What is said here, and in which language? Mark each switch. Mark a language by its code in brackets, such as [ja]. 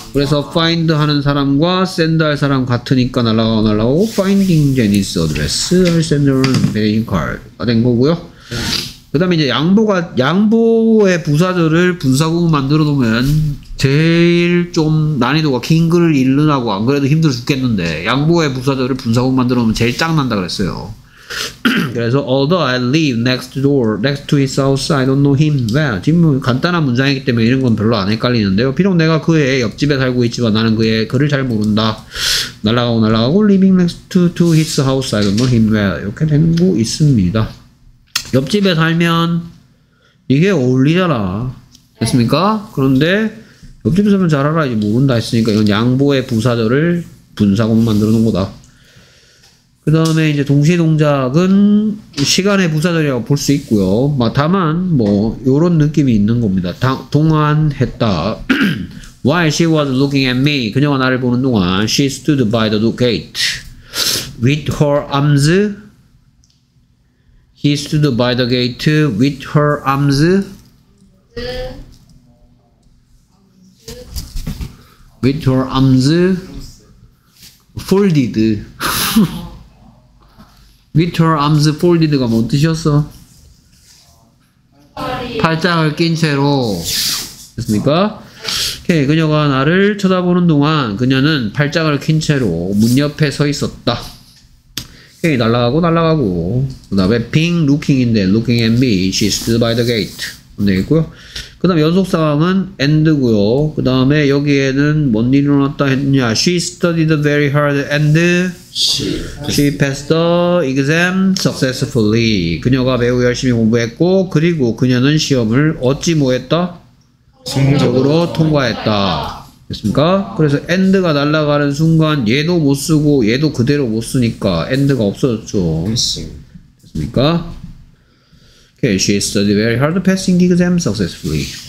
[ko] 그래서 find 하는 사람과 send 할 사람 같으니까 날라가고 날라가고 [en] finding Jenny's address, I'll send her an invitation card. [ko] 된 거고요. 그 다음에 이제 양보의 부사절을 분사구문 만들어 놓으면 제일 좀 난이도가 킹글을 잃느라고 안 그래도 힘들어 죽겠는데 양보의 부사절을 분사구문 만들어 놓으면 제일 짱 난다 그랬어요. 그래서 [en] although I live next door next to his house I don't know him well. [ko] 지금 간단한 문장이기 때문에 이런 건 별로 안 헷갈리는데요. 비록 내가 그의 옆집에 살고 있지만 나는 그의 그를 잘 모른다. 날아가고 날아가고 [en] living next to his house I don't know him well. [ko] 이렇게 되는 거 있습니다. 옆집에 살면 이게 어울리잖아. 됐습니까? 그런데 옆집에 살면 잘 알아야지 모른다 했으니까 이건 양보의 부사절을 분사구문 만들어 놓은 거다. 그 다음에 이제 동시동작은 시간의 부사절이라고 볼 수 있고요. 다만 뭐 요런 느낌이 있는 겁니다. 동안 했다. [en] While she was looking at me, [ko] 그녀가 나를 보는 동안 [en] she stood by the gate with her arms. He stood by the gate with her arms. With her arms folded. With her arms folded가 [ko] 뭔 뜻이었어? 팔짱을 낀 채로 됐습니까? 오케이. 그녀가 나를 쳐다보는 동안 그녀는 팔짱을 낀 채로 문 옆에 서 있었다. 오케이. 날아가고 날아가고 그 다음에 [en] being looking인데 looking at me she stood by the gate 되겠고요. [ko] 그 다음 연속 상황은 and고요. 그 다음에 여기에는 뭔 일이 일어났다 했냐. [en] She studied very hard and she passed the exam successfully. [ko] 그녀가 매우 열심히 공부했고 그리고 그녀는 시험을 어찌 모했다? 성공적으로 통과했다. 됐습니까? 그래서 and가 날아가는 순간 얘도 못 쓰고 얘도 그대로 못 쓰니까 and가 없어졌죠. 됐습니까? [en] Okay, she studied very hard, passing exam successfully.